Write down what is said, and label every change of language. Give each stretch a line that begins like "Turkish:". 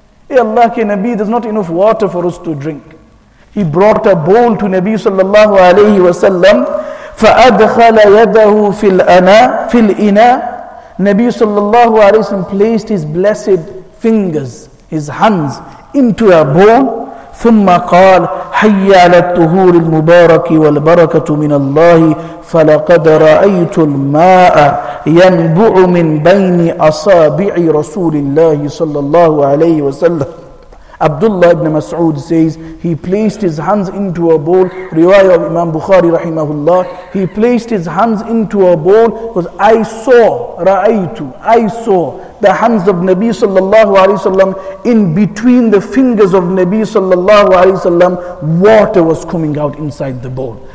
English: Ya Allah ki Nabi, there's not enough water for us to drink. He brought a bowl to Nabi sallallahu alayhi wasallam.
Arabic: فَأَدْخَلَ يَدَهُ فِي الْأَنَا فِي الْإِنَا.
English: Nabi sallallahu alayhi wasallam placed his blessed fingers, his hands, into a bowl.
Arabic: ثم قال حي على الطهور المبارك والبركة من الله فلقد رأيت الماء ينبع من بين أصابع رسول الله صلى الله عليه وسلم.
English: Abdullah ibn Mas'ud says he placed his hands into a bowl. Riwayah of Imam Bukhari rahimahullah. He placed his hands into a bowl because I saw, ra'aytu, I saw the hands of Nabi sallallahu alayhi wasallam, in between the fingers of Nabi sallallahu alayhi wasallam, water was coming out inside the bowl.